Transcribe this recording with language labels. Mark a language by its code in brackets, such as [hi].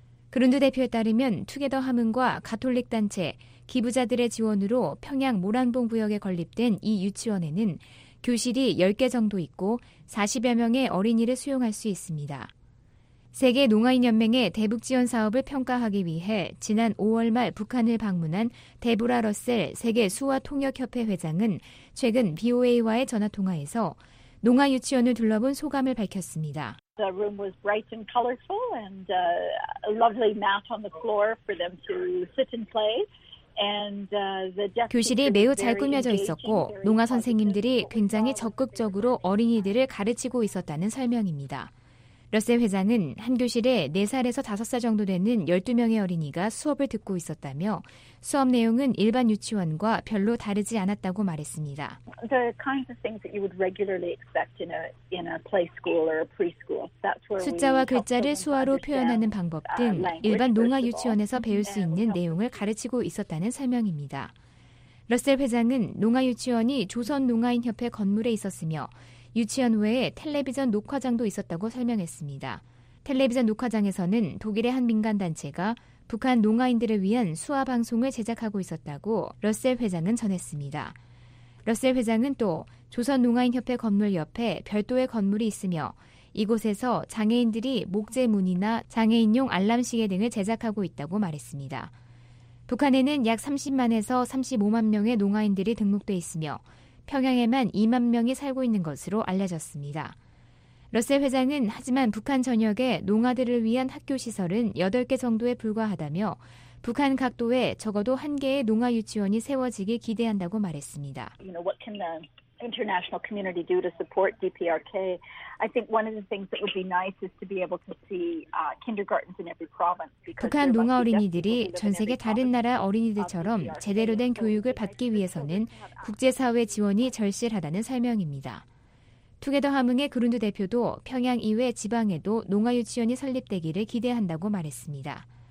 [ko] 그룬드 대표에 따르면 투게더 함흥과 가톨릭 단체, 기부자들의 지원으로 평양 모란봉 구역에 건립된 이 유치원에는 교실이 10개 정도 있고 40여 명의 어린이를 수용할 수 있습니다. 세계 농아인 연맹의 대북 지원 사업을 평가하기 위해 지난 5월 말 북한을 방문한 데보라 러셀 세계 수화 통역 협회 회장은 최근 BOA와의 전화 통화에서 농아 유치원을 둘러본 소감을 밝혔습니다. [en] The room was bright and colorful and a lovely mat on the floor for them to sit and play. [ko] 교실이 매우 잘 꾸며져 있었고 농아 선생님들이 굉장히 적극적으로 어린이들을 가르치고 있었다는 설명입니다. 러셀 회장은 한 교실에 4살에서 5살 정도 되는 12명의 어린이가 수업을 듣고 있었다며 수업 내용은 일반 유치원과 별로 다르지 않았다고 말했습니다. [en] The kinds of things that you would regularly expect in a play school or a preschool. That's where [ko] 숫자와 글자를 수화로 표현하는 방법 등 일반 농아 유치원에서 배울 수 있는 내용을 가르치고 있었다는 설명입니다. 러셀 회장은 농아 유치원이 조선 농아인 협회 건물에 있었으며 유치원 외에 텔레비전 녹화장도 있었다고 설명했습니다. 텔레비전 녹화장에서는 독일의 한 민간단체가 북한 농아인들을 위한 수화 방송을 제작하고 있었다고 러셀 회장은 전했습니다. 러셀 회장은 또 조선농아인협회 건물 옆에 별도의 건물이 있으며 이곳에서 장애인들이 목재문이나 장애인용 알람시계 등을 제작하고 있다고 말했습니다. 북한에는 약 30만에서 35만 명의 농아인들이 등록돼 있으며 평양에만 2만 명이 살고 있는 것으로 알려졌습니다. 러셀 회장은 하지만 북한 전역에 농아들을 위한 학교 시설은 8개 정도에 불과하다며 북한 각도에 적어도 한 개의 농아 유치원이 세워지길 기대한다고 말했습니다. [en] You know, what can the international community do to support DPRK? I think one of the things that would be nice is to be able to see kindergartens in every province. [ko] 북한 농아 어린이들이 전 세계 다른 나라 어린이들처럼 제대로 된 교육을 받기 위해서는 국제사회 지원이 절실하다는 설명입니다. 투게더 함흥의 그룬드 대표도 평양 이외 지방에도 농아 유치원이 설립되기를 기대한다고 말했습니다.